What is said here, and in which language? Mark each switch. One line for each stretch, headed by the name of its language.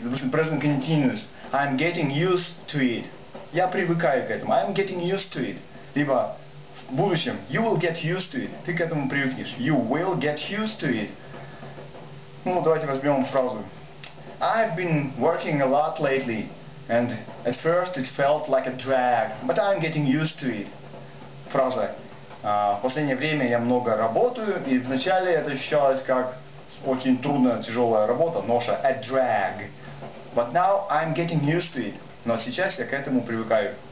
English: Допустим, present continuous. I'm getting used to it.
Russian: Я привыкаю к этому. I'm getting used to it. Либо в будущем.
English: You will get used to it. Ты к этому привыкнешь. You will get used to it.
Russian: Ну, давайте возьмем фразу.
English: I've been working a lot lately. And at first it felt like a drag. But I'm getting used to it. Фраза.
Russian: В последнее время я много работаю, и вначале это ощущалось как очень трудная, тяжелая работа, ноша, a drag.
English: But now I'm getting used to it.
Russian: Но сейчас я к этому привыкаю.